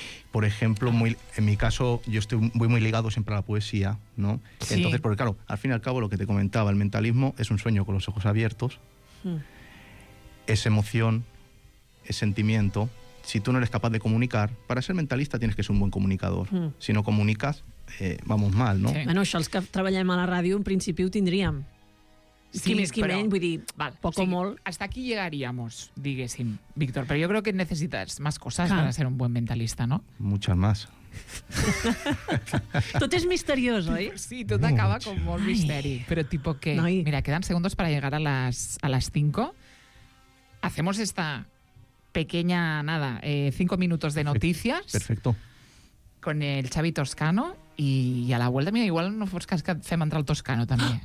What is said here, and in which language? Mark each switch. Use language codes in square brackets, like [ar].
[es] Por ejemplo, en mi caso, yo estoy muy ligado siempre a la poesía, ¿no? Sí. Entonces, porque claro, al fin y al cabo, lo que te comentaba, el mentalismo es un sueño con los ojos abiertos, es emoción, es sentimiento. Si tú no eres capaz de comunicar, para ser mentalista tienes que ser un buen comunicador. Si no comunicas, vamos mal, ¿no? Sí. [ca] Bueno, això els que treballem a la ràdio, en principi ho tindríem. Sí, més, però, menys, vull dir, val, poc o molt. [es] Hasta aquí llegaríamos, [ca] diguéssim, Víctor, però jo crec que necessites més coses per ser un bon mentalista, no? [es] Muchas más. [ca] Tot és misteriós, oi? Sí, tot acaba com molt misteri. Però tipo que, noi. Mira, queden segons per llegar a les 5. [es] Hacemos esta pequeña, nada, 5 minutos de noticias. Perfecto. [ca] Con el Xavi Toscano i [es] a la vuelta, [ca] mira, igual no fos cas que fem entrar el Toscano, també.